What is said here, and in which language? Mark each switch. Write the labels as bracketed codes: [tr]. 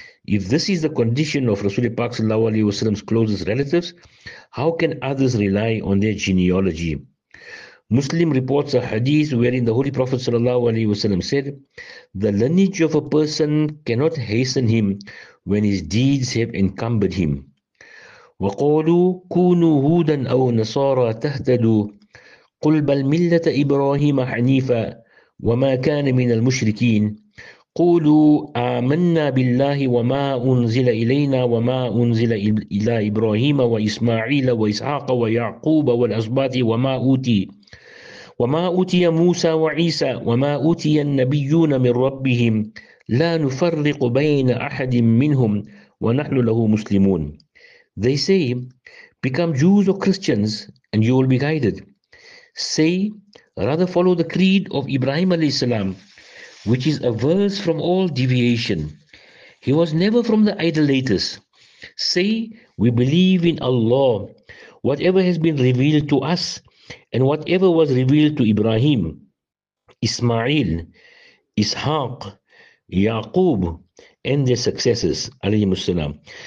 [en] If this is the condition of Rasulullah Pak sallallahu alayhi wasallam's closest relatives, how can others rely on their genealogy? Muslim reports a hadith wherein the Holy Prophet sallallahu alayhi wasallam said, "The lineage of a person cannot hasten him when his deeds have encumbered him." [ar] وَقَالُوا كُونُوا هُودًا أَوْ نَصَارَى تَهْتَدُوا قُلْ بَلْ مِلَّةَ إِبْرَاهِيمَ حَنِيفًا وَمَا كَانَ مِنَ الْمُشْرِكِينَ قولوا آمنا بالله وما أنزل إلينا وما أنزل إلى إبراهيم وإسماعيل وإسحاق ويعقوب والأسباط وما أوتي موسى وعيسى وما أوتي النبيون من ربهم لا نفرق بين أحد منهم ونحن له مسلمون. [en] They say, become Jews or Christians and you will be guided. Say, rather follow the creed of Ibrahim alayhi salam, which is averse from all deviation. He was never from the idolaters. Say, we believe in Allah, whatever has been revealed to us, and whatever was revealed to Ibrahim, Ismail, Ishaq, Yaqub, and their successors, alayhi salam.